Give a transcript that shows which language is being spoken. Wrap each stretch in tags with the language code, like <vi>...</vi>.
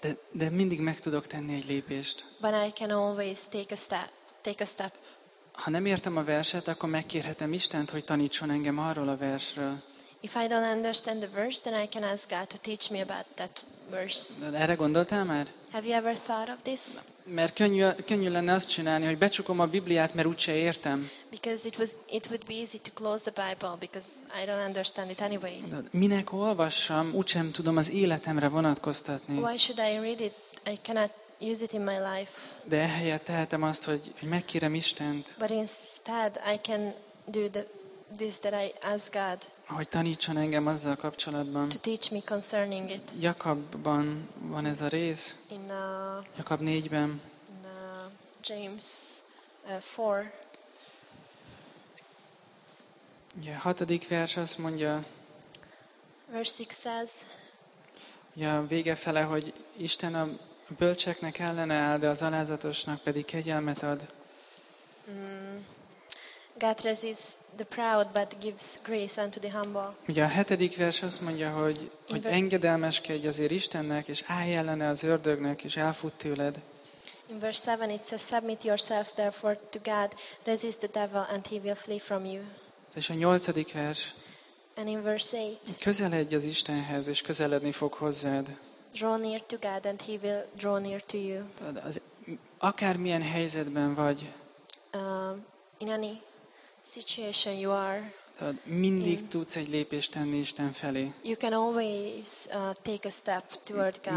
<hu>De mindig meg tudok tenni egy lépést.</hu> <en>But I can always take a step.</en> <hu>Ha nem értem a verset, akkor megkérhetem Istent, hogy tanítson engem arról a versről.</hu> <en>If I don't understand the verse, then I can ask God to teach me about that verse.</en> <hu>De erre gondoltál már?</hu> <en>Have you ever thought of this?</en> <hu>Mert könnyű lenne azt csinálni, hogy becsukom a Bibliát, mert úgyse értem.</hu> <en>Because it would be easy to close the Bible because I don't understand it anyway.</en> <hu>De minek olvassam, úgysem tudom az életemre vonatkoztatni.</hu> <en>Why should I read it? I cannot use it in my life.</en> <hu>De ehelyett tehetem azt, hogy megkérem Istent.</hu> <en>But instead I can do this that I ask God.</en> <hu>Hogy tanítson engem azzal kapcsolatban.</hu> <en>To teach me concerning it.</en> <hu>Jakabban van ez a rész.</hu> <en>In</en> <hu>Jakab 4-ben.</hu> <en>In James 4.</en> <hu>Ugye, a hatodik vers azt mondja.</hu> <en>Verse 6 says.</en> <hu>Ugye, a vége fele, hogy Isten a bölcseknek ellene áll, de az alázatosnak pedig kegyelmet ad.</hu> <en>God resists the proud, but gives grace unto the humble.</en> <hu>Ugye a hetedik vers azt mondja, hogy, hogy engedelmeskedj azért Istennek, és állj ellene az ördögnek, és elfut tőled.</hu> <en>In verse 7 it says, submit yourselves therefore to God, resist the devil, and he will flee from you.</en> <hu>És a nyolcadik vers.</hu> <en>And in verse 8.</en> <hu>Közeledj az Istenhez, és közeledni fog hozzád.</hu> <en>Draw near to God, and he will draw near to you.</en> <hu>Akármilyen helyzetben vagy.</hu> <en>In any situation you are.</en> <hu>Mindig tudsz egy lépést tenni Isten felé.</hu> <en>You can always take a step toward God.</en>